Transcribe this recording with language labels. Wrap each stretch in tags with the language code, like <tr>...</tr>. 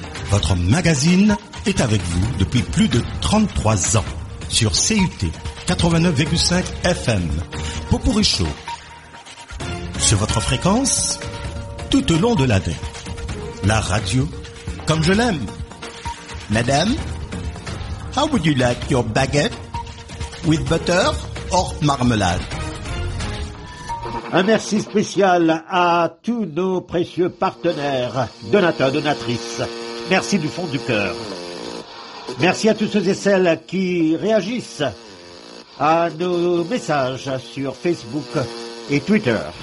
<fr>Votre magazine est avec vous depuis plus de 33 ans. Sur CUT 89,5 FM, Popourri Show, sur votre fréquence, tout au long de l'année, la radio, comme je l'aime.</fr> <en>Madame, how would you like your baguette, with butter or marmalade?</en> <fr>Un merci spécial à tous nos précieux partenaires, donateurs, donatrices. Merci du fond du cœur. Merci à tous ceux et celles qui réagissent à nos messages sur Facebook et Twitter.</fr>